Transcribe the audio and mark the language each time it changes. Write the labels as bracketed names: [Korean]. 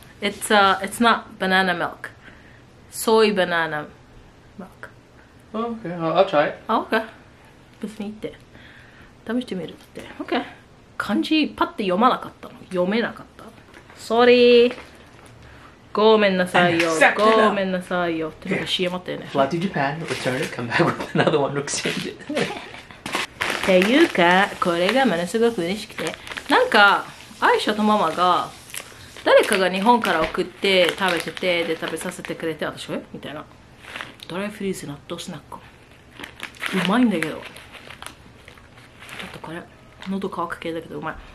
[English] It's not banana milk. Soy banana milk. Okay, I'll try it. [Japanese] Okay, 別に言って試してみるって。 Okay, 漢字パッて読まなかったの、読めなかった、 sorryごめんなさいよ、ごめんなさいよっていうのが CM あったよね。 [English] Fly to Japan, return it, come back with another one, exchange it. [Japanese] っていうか、これがものすごく嬉しくて、なんか、アイシャとママが誰かが日本から送って食べてて、で食べさせてくれて、私はみたいな、ドライフリーズ納豆スナックうまいんだけど、ちょっとこれ、喉乾く系だけどうまい。